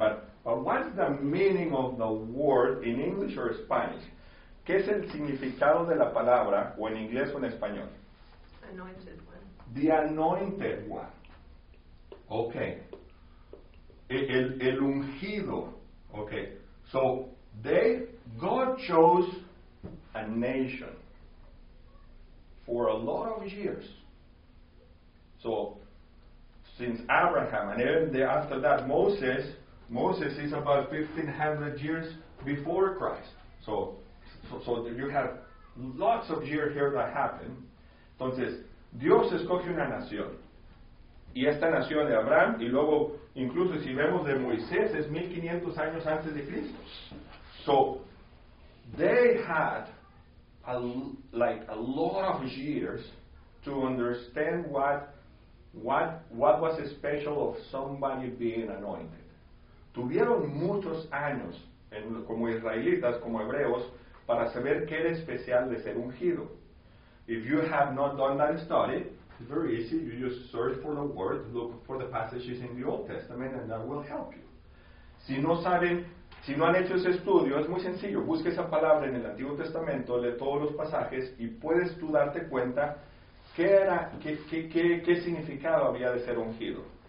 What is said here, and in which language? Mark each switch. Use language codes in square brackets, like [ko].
[en] But what's the meaning of the word in English or Spanish? [es] ¿Qué es el significado de la palabra o en inglés o en español? [en] Anointed one. The anointed one. Okay, [es] el ungido. [en] Okay, so God chose a nation for a lot of years. So since Abraham and even after that Moses is about 1500 years before Christ. So you have lots of years here that happen. [es] Entonces Dios escogió una nación. Y esta nación de Abraham, y luego, incluso si vemos de Moisés, es 1500 años antes de Cristo. [en] So, they had a lot of years to understand what was special of somebody being anointed. [es] Tuvieron muchos años, como israelitas, como hebreos, para saber qué era especial de ser ungido. [en] If you have not done that study, it's very easy. You just search for the word, look for the passages in the Old Testament, and that will help you. [es] Si no saben, si no han hecho ese estudio, es muy sencillo. Busque esa palabra en el Antiguo Testamento, lee todos los pasajes, y puedes tú darte cuenta qué significado había de ser ungido.